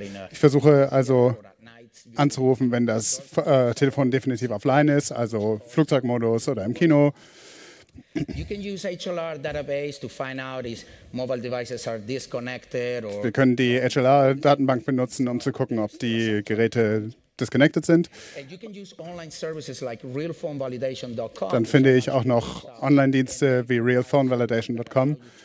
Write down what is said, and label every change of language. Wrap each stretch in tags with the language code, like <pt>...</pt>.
<de>Ich versuche also anzurufen, wenn das Telefon definitiv offline ist, also Flugzeugmodus oder im Kino.</de> <en>You can use HLR database to find out if mobile devices are disconnected or.</en> <de>Wir können die HLR Datenbank benutzen, um zu gucken, ob die Geräte disconnected sind.</de> <en>And you can use online services like realphonevalidation.com.</en> <de>Dann finde ich auch noch Online Dienste wie realphonevalidation.com.</de>